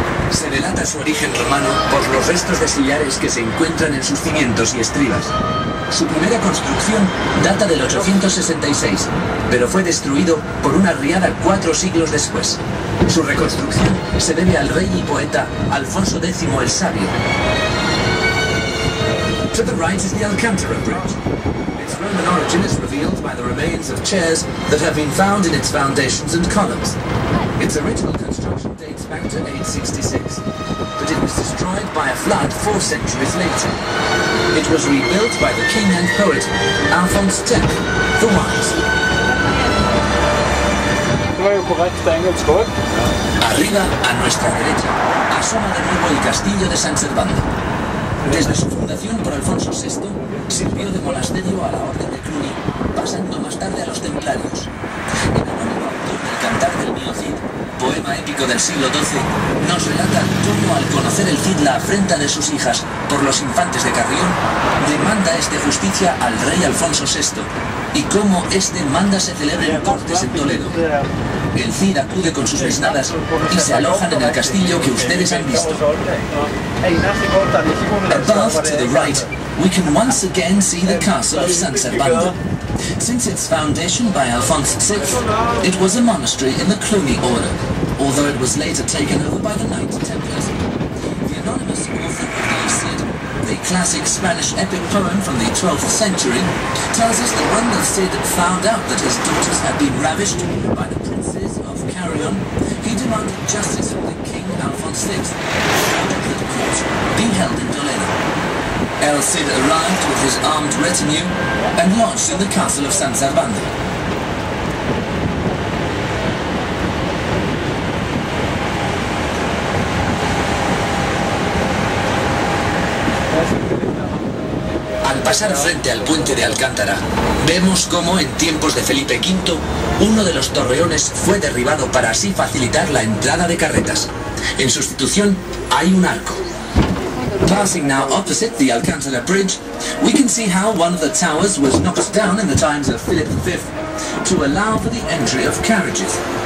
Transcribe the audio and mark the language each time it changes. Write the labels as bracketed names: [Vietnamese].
[Spanish] Se relata su origen romano por los restos de sillares que se encuentran en sus cimientos y estribas. Su primera construcción data del 866, pero fue destruido por una riada 4 siglos después. Su reconstrucción se debe al rey y poeta Alfonso X el Sabio. [English] To the right is the Alcantara Bridge. Its Roman origin is revealed by the remains of chairs that have been found in its foundations and columns. Its original construction dates back to 866, but it was destroyed by a flood 4 centuries later. It was rebuilt by the king and poet, Alphonse X, the Wise. [Spanish] Arriba, a nuestra derecha, asoma de nuevo el castillo de San Servando. Desde su fundación por Alfonso VI, sirvió de monasterio a la orden de Cluny, pasando más tarde a los templarios. El anónimo autor del Cantar del Mio Cid, poema épico del siglo XII, nos relata cómo al conocer el Cid la afrenta de sus hijas por los infantes de Carrión, demanda este justicia al rey Alfonso VI, y cómo este manda se celebren cortes en Toledo. El Cid acude con sus mesnadas y se alojan en el castillo que ustedes han visto. [English] Above, to the right, we can once again see the castle of San Servando. Since its foundation by Alphonse VI, it was a monastery in the Cluny order, although it was later taken over by the Knight Templars. The anonymous author of the Cid, the classic Spanish epic poem from the 12th century, tells us that when the Cid found out that his daughters had been ravished by the princes of Carrion, he demanded justice from the king Alphonse VI, and the court being held in Toledo. El Cid arrived with his armed retinue and lodged in the castle of San Servando. [Spanish] Al pasar frente al puente de Alcántara, vemos cómo en tiempos de Felipe V, uno de los torreones fue derribado para así facilitar la entrada de carretas. En sustitución, hay un arco. [English] Passing now opposite the Alcantara Bridge, we can see how one of the towers was knocked down in the times of Philip V to allow for the entry of carriages.